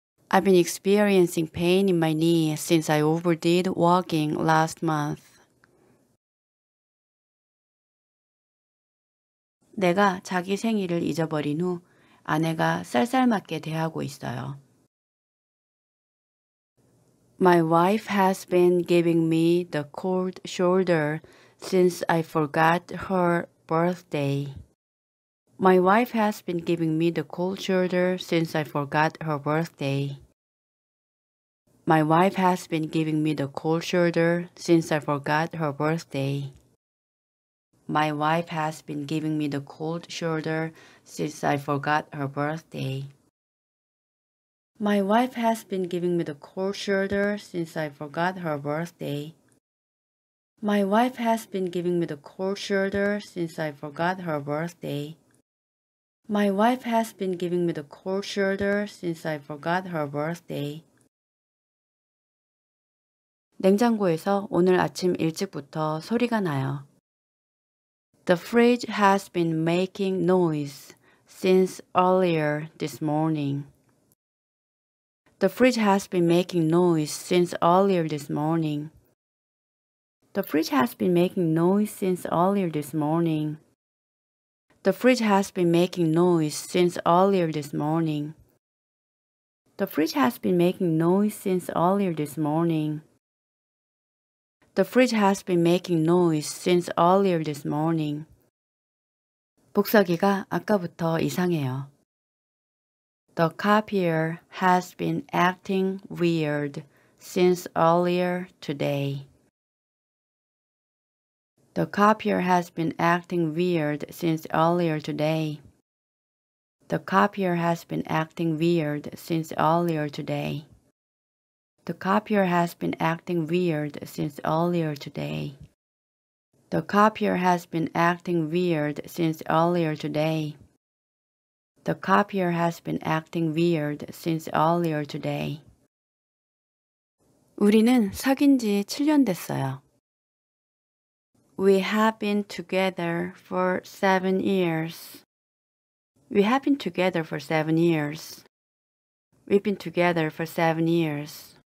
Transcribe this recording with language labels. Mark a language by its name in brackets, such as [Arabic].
[English] I've been experiencing pain in my knee since I overdid walking last month. [Korean] 내가 자기 생일을 잊어버린 후 아내가 쌀쌀맞게 대하고 있어요. [English] My wife has been giving me the cold shoulder since I forgot her birthday. My wife has been giving me the cold shoulder since I forgot her birthday. My wife has been giving me the cold shoulder since I forgot her birthday. My wife has been giving me the cold shoulder since I forgot her birthday. My wife has been giving me the cold shoulder since I forgot her birthday. My wife has been giving me the cold shoulder since I forgot her birthday. My wife has been giving me the cold shoulder since I forgot her birthday. [Korean] 냉장고에서 오늘 아침 일찍부터 소리가 나요. [English] The fridge has been making noise since earlier this morning. The fridge has been making noise since earlier this morning. The fridge has been making noise since earlier this morning. The fridge has been making noise since earlier this morning. The fridge has been making noise since earlier this morning. The fridge has been making noise since earlier this morning. [Korean] 복사기가 아까부터 이상해요. [English] The copier has been acting weird since earlier today. The copier has been acting weird since earlier today. The copier has been acting weird since earlier today. The copier has been acting weird since earlier today. The copier has been acting weird since earlier today. The copier has been acting weird since earlier today. [Korean] 우리는 사귄 지 7년 됐어요. [English] We have been together for 7 years. We have been together for 7 years. We've been together for 7 years.